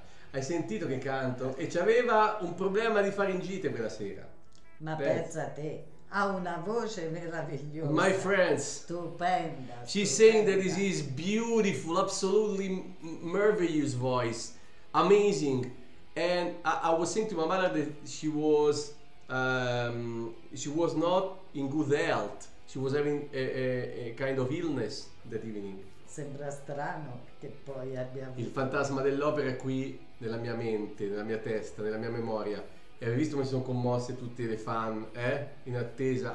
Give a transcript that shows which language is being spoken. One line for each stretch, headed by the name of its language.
Italian: Hai sentito che canto? E c'aveva un problema di faringite quella sera. Ma pensa a te, ha una voce meravigliosa.
English: My friends,
Italian: stupenda.
English: She's saying that this is beautiful, absolutely marvelous voice, amazing. And I was saying to my mother that she was not in good health. She was having a kind of illness that evening.
Italian: Sembra strano che poi abbia avuto. Il Fantasma dell'Opera qui nella mia mente, nella mia testa, nella mia memoria. E avevi visto come si sono commosse tutte le fan, in attesa.